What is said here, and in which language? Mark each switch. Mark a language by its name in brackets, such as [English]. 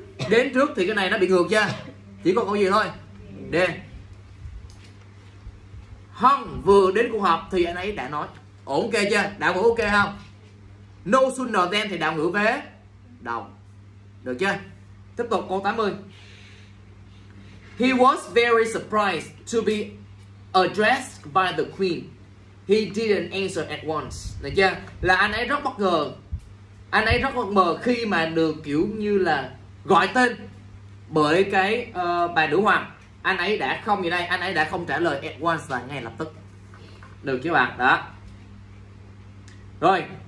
[Vietnamese] Đến trước thì cái này nó bị ngược chưa? Chỉ còn câu gì thôi? D. Hong vừa đến cuộc họp thì anh ấy đã nói. Ổn ok chưa? Đạo ngữ ok không? No sooner than thì đạo ngữ vế đầu. Được chưa? Tiếp tục câu 80. [English] He was very surprised to be addressed by the queen. He didn't answer at once. [Vietnamese] Được chưa? Là anh ấy rất bất ngờ. Anh ấy rất bất ngờ khi mà được kiểu như là gọi tên bởi cái bà nữ hoàng. Anh ấy đã không gì đây, anh ấy đã không trả lời at once là ngay lập tức. Được chưa bạn? Đó. Rồi.